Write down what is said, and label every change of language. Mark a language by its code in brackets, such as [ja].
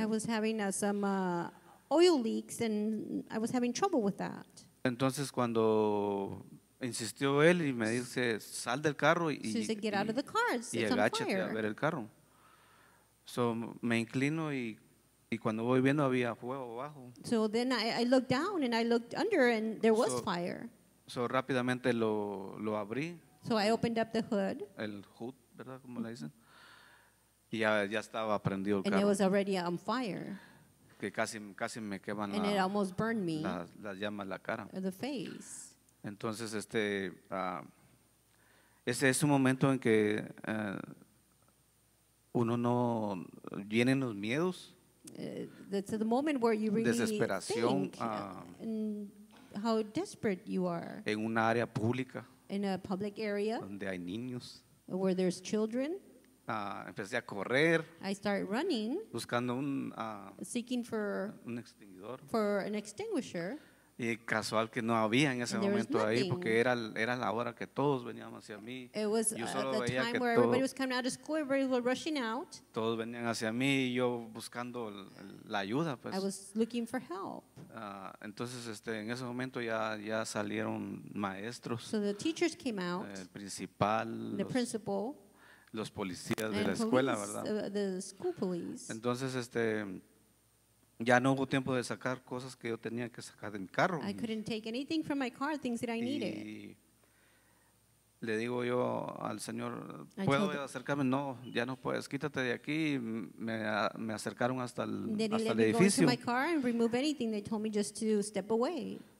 [en] I was having some oil leaks and I was having trouble with that. [es] Entonces cuando insistió él y me dice, sal del carro y, [en] so said, get out of the car. It's [es] y agáchate a ver el carro. So me inclino y cuando voy viendo había fuego abajo. [en] So then I looked down and I looked under and there was fire. [es] So rápidamente lo abrí. [en] So I opened up the hood. [es] El hood, ¿verdad? Como le dicen. Y ya estaba prendido el carro. [en] And it was already on fire. [es] Que casi me queman [en] and it almost burned me. [es] Las llamas la cara. [en] The face. [es] Entonces ese es un momento en que uno no vienen los miedos. [en] That's the moment where you really [es] desesperación, [en] think how desperate you are. [es] En una área pública. [en] In a public area. [es] Donde hay niños. [en] Where there's children. [es] Empecé a correr. [en] I start running. [es] Buscando un. [en] Seeking for. [es] Un extinguidor. [en] For an extinguisher. [es] Y casual que no había en ese momento ahí porque era la hora que todos venían hacia mí. [en] It was [es] yo solo [en] the [es] veía [en] time [es] que [en] where everybody was coming out of school, everybody was rushing out. [es] Todos venían hacia mí y yo buscando la ayuda, pues. [en] I was looking for help. [es] Entonces en ese momento ya salieron maestros. [en] So the teachers came out. [es] El principal. [en] The principal. [es] Los policías de la escuela, ¿verdad? [en] The school police. [es] Entonces ya no hubo tiempo de sacar cosas que yo tenía que sacar de mi carro. [en] I couldn't take anything from my car, things that I needed. [es] Y le digo yo al Señor, ¿puedo acercarme? No, ya no puedes, quítate de aquí. Me acercaron hasta el edificio. [en] They let me go into my car and remove anything. They told me just to step away.